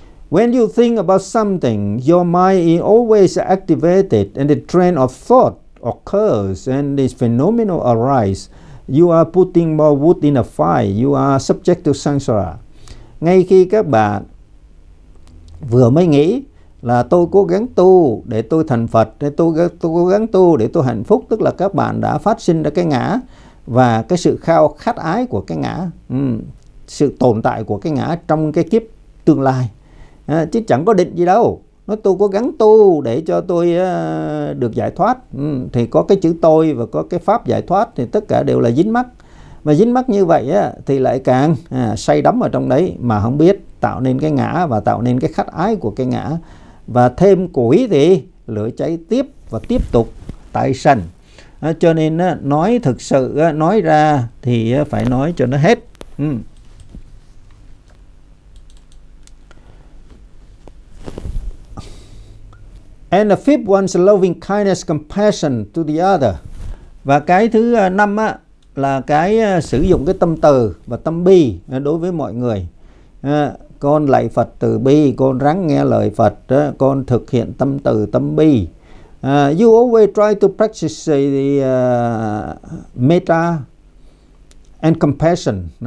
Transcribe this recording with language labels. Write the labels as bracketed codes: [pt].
[en] When you think about something, your mind is always activated and the train of thought occurs and this phenomenon arises. You are putting more wood in a fire. You are subject to samsara. [vi] Ngay khi các bạn vừa mới nghĩ là tôi cố gắng tu để tôi thành Phật, để tôi cố gắng tu để tôi hạnh phúc, tức là các bạn đã phát sinh ra cái ngã và cái sự khao khát ái của cái ngã, sự tồn tại của cái ngã trong cái kiếp tương lai, chứ chẳng có định gì đâu. Nói tôi cố gắng tu để cho tôi được giải thoát, thì có cái chữ tôi và có cái pháp giải thoát thì tất cả đều là dính mắc. Mà dính mắc như vậy thì lại càng say đắm ở trong đấy mà không biết, tạo nên cái ngã và tạo nên cái khát ái của cái ngã. Và thêm củi thì lửa cháy tiếp và tiếp tục tái sanh. Cho nên nói thực sự, nói ra thì phải nói cho nó hết. [en] And the fifth one is loving kindness, compassion to the other. [vi] Và cái thứ năm là cái sử dụng cái tâm từ và tâm bi đối với mọi người. Con lạy Phật từ bi, con ráng nghe lời Phật, con thực hiện tâm từ tâm bi. [en] You always try to practice the metta and compassion.